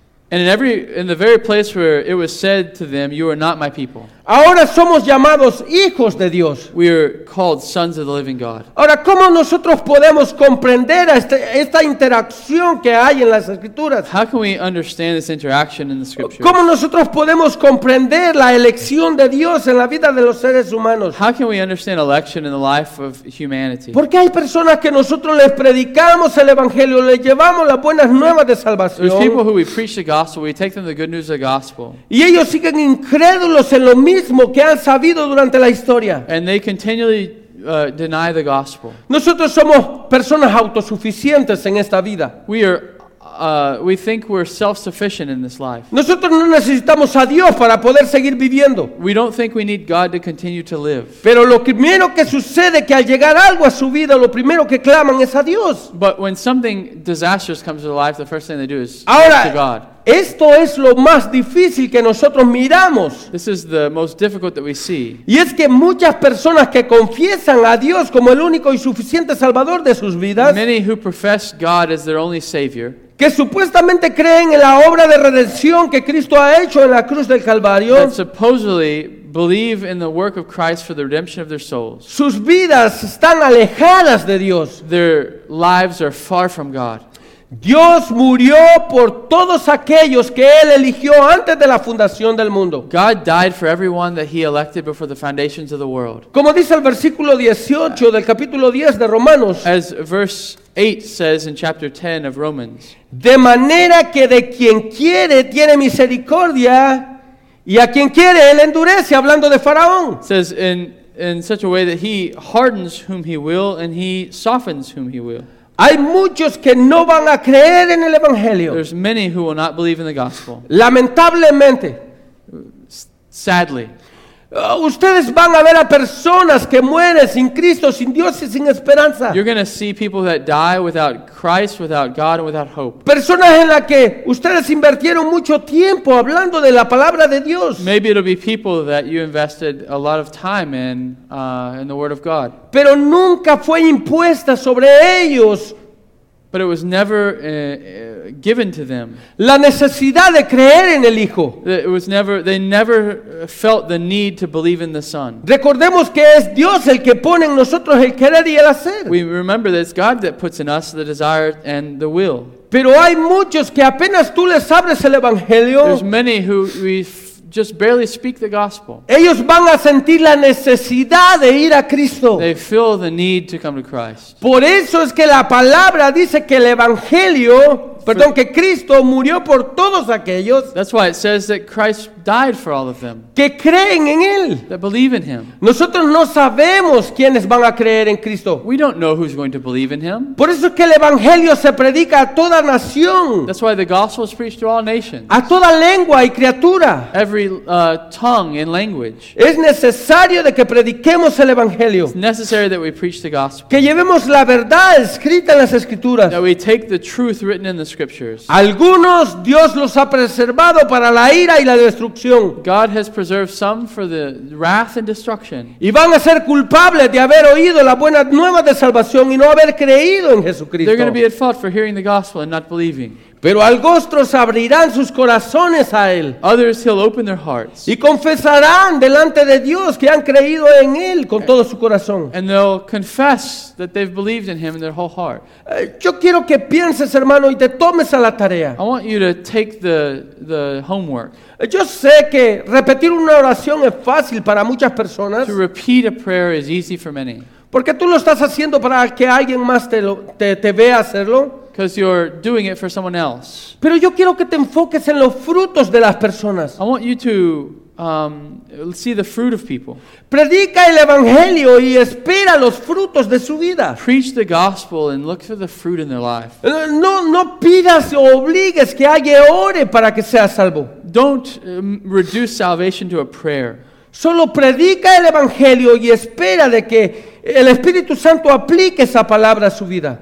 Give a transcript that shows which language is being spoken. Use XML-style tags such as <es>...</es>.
<en>And in the very place where it was said to them, you are not my people.</en> <es>Ahora somos llamados hijos de Dios.</es> <en>We are called sons of the living God.</en> <es>Ahora, ¿cómo nosotros podemos comprender esta interacción que hay en las Escrituras?</es> <en>How can we understand this interaction in the Scriptures?</en> <es>¿Cómo nosotros podemos comprender la elección de Dios en la vida de los seres humanos?</es> <en>How can we understand election in the life of humanity?</en> <es>Porque hay personas que nosotros les predicamos el Evangelio, les llevamos las buenas nuevas de salvación.</es> <en>There's people who we preach the gospel, we take them the good news of the gospel.</en> <es>Y ellos siguen incrédulos en lo mismo que han sabido durante la historia.</es> <en>And they continually deny the gospel.</en> <es>Nosotros somos personas autosuficientes en esta vida.</es> <en>We think we're self-sufficient in this life.</en> <es>Nosotros no necesitamos a Dios para poder seguir viviendo.</es> <en>We don't think we need God to continue to live.</en> <es>Pero lo primero que sucede que al llegar algo a su vida, lo primero que claman es a Dios.</es> <en>But when something disastrous comes to their life, the first thing they do is to God.</en> <es>Esto es lo más difícil que nosotros miramos.</es> <en>This is the most difficult that we see.</en> <es>Y es que muchas personas que confiesan a Dios como el único y suficiente Salvador de sus vidas,</es> <en>many who profess God as their only Savior,</en> <es>que supuestamente creen en la obra de redención que Cristo ha hecho en la cruz del Calvario,</es> <en>that supposedly believe in the work of Christ for the redemption of their souls,</en> <es>sus vidas están alejadas de Dios.</es> <en>Their lives are far from God.</en> <es>Dios murió por todos aquellos que Él eligió antes de la fundación del mundo.</es> <en>God died for everyone that He elected before the foundations of the world.</en> <es>Como dice el versículo 18 del capítulo 10 de Romanos.</es> <en>As verse 8 says in chapter 10 of Romans.</en> <es>De manera que de quien quiere tiene misericordia, y a quien quiere Él endurece, hablando de Faraón.</es> <en>Says in such a way that He hardens whom He will and He softens whom He will.</en> <es>Hay muchos que no van a creer en el Evangelio.</es> <en>There's many who will not believe in the gospel.</en> <es>Lamentablemente.</es> <en>Sadly.</en> <es>Ustedes van a ver a personas que mueren sin Cristo, sin Dios y sin esperanza.</es> <en>You're going to see people that die without Christ, without God, and without hope.</en> <es>Personas en las que ustedes invirtieron mucho tiempo hablando de la palabra de Dios.</es> <en>Maybe it'll be people that you invested a lot of time in the Word of God.</en> <es>Pero nunca fue impuesta sobre ellos.</es> <en>But it was never given to them.</en> <es>La necesidad de creer en el Hijo.</es> <en>It was never, they never felt the need to believe in the Son.</en> <es>Recordemos que es Dios el que pone en nosotros el querer y el hacer.</es> <en>We remember that it's God that puts in us the desire and the will.</en> <es>Pero hay muchos que apenas tú les abres el Evangelio.</es> <en>There's many who we just barely speak the gospel.</en> <es>Ellos van a sentir la necesidad de ir a Cristo.</es> <en>They feel the need to come to Christ.</en> <es>Por eso es que la palabra dice que el evangelio, perdón, que Cristo murió por todos aquellos.</es> <en>That's why it says that Christ died for all of them.</en> <es>Que creen en él.</es> <en>That believe in him.</en> <es>Nosotros no sabemos quiénes van a creer en Cristo.</es> <en>We don't know who's going to believe in him.</en> <es>Por eso es que el evangelio se predica a toda nación.</es> <en>That's why the gospel is preached to all nations.</en> <es>A toda lengua y criatura.</es> <en>Every tongue and language.</en> <es>Es necesario de que prediquemos el evangelio.</es> <en>It's necessary that we preach the gospel.</en> <es>Que llevemos la verdad escrita en las escrituras.</es> <en>That we take the truth written in the scriptures.</en> <es>Algunos Dios los ha preservado para la ira y la destrucción.</es> <en>God has preserved some for the wrath and destruction.</en> <es>Y van a ser culpables de haber oído la buena nueva de salvación y no haber creído en Jesucristo.</es> <en>They're going to be at fault for hearing the gospel and not believing.</en> <es>Pero algunos abrirán sus corazones a él.</es> <en>Others he'll open their hearts.</en> <es>Y confesarán delante de Dios que han creído en él con todo su corazón.</es> <en>And they'll confess that they've believed in him in their whole heart.</en> <es>Yo quiero que pienses, hermano, y te tomes a la tarea.</es> <en>I want you to take the homework.</en> <es>Yo sé que repetir una oración es fácil para muchas personas.</es> <en>To repeat a prayer is easy for many.</en> <es>Porque tú lo estás haciendo para que alguien más te vea hacerlo.</es> <en>Because you're doing it for someone else.</en> <es>Pero yo quiero que te enfoques en los frutos de las personas.</es> <en>I want you to see the fruit of people.</en> <es>Predica el evangelio y espera los frutos de su vida.</es> <en>Preach the gospel and look for the fruit in their life.</en> <es>No pidas o obligues que alguien ore para que sea salvo.</es> <en>Don't reduce salvation to a prayer.</en> <es>Solo predica el evangelio y espera de que el Espíritu Santo aplique esa palabra a su vida.</es>